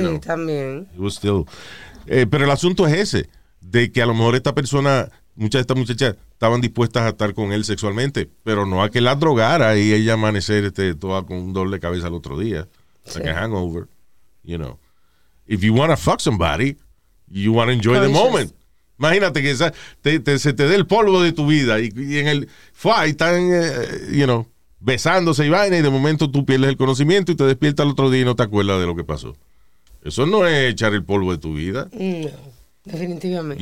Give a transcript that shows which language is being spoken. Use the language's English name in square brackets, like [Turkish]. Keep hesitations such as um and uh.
[English] know, [Spanish] también. [English] It was still- [Spanish] Eh, pero el asunto es ese, de que a lo mejor esta persona, muchas de estas muchachas estaban dispuestas a estar con él sexualmente, pero no a que la drogara y ella amanecer este, toda con un doble cabeza al otro día, [English] like a hangover, you know. If you want to fuck somebody, you want to enjoy the Conscious. moment. [Spanish] Imagínate que esa- te- te- se te dé el polvo de tu vida y, y en el fue, y están, eh, [English] you know, [Spanish] besándose y vaina y de momento tú pierdes el conocimiento y te despiertas al otro día y no te acuerdas de lo que pasó. Eso no es echar el polvo de tu vida. No, definitivamente.